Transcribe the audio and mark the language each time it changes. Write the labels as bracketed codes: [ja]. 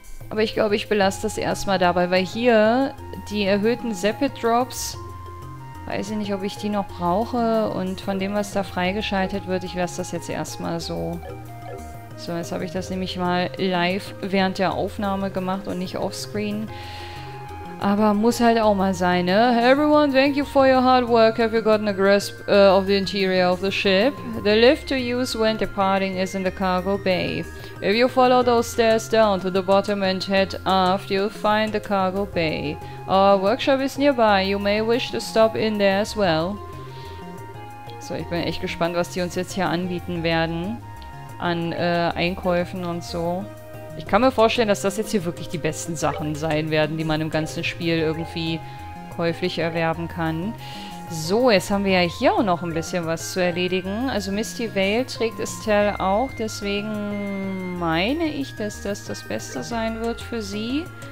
[de] Aber ich glaube, ich belasse das erstmal dabei, weil hier die erhöhten Zapid Drops, weiß ich nicht, ob ich die noch brauche. Und von dem, was da freigeschaltet wird, ich lasse das jetzt erstmal so. So, jetzt habe ich das nämlich mal live während der Aufnahme gemacht und nicht offscreen. Aber muss halt auch mal sein, ne? [en] Everyone, thank you for your hard work. Have you gotten a grasp of the interior of the ship? The lift to use when departing is in the cargo bay. If you follow those stairs down to the bottom and head aft, you'll find the cargo bay. Our workshop is nearby. You may wish to stop in there as well. [de] So, ich bin echt gespannt, was die uns jetzt hier anbieten werden. An Einkäufen und so. Ich kann mir vorstellen, dass das jetzt hier wirklich die besten Sachen sein werden, die man im ganzen Spiel irgendwie käuflich erwerben kann. So, jetzt haben wir ja hier auch noch ein bisschen was zu erledigen. Also Misty Vale trägt Estelle auch, deswegen meine ich, dass das das Beste sein wird für sie.